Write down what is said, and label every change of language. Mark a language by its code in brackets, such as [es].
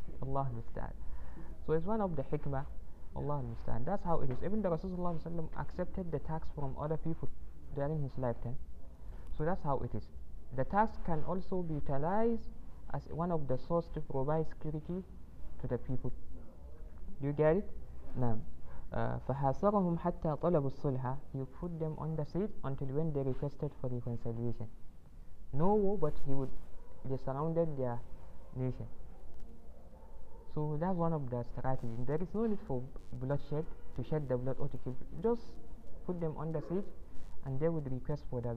[en] Allah Musta'an. So it's one of the hikmah. Allah Musta'an. That's how it is. Even the Rasulullah accepted the tax from other people during his lifetime. So that's how it is. The tax can also be utilized as one of the source to provide security to the people. Do you get it? نعم. [ar] فحاصرهم حتى طلبوا الصلحة. [en] He put them on the seat until when they requested for reconciliation. No war, but they surrounded their nation. So that's one of the strategies. There is no need for bloodshed, to shed the blood or to kill. Just put them on the seat and they would request for that.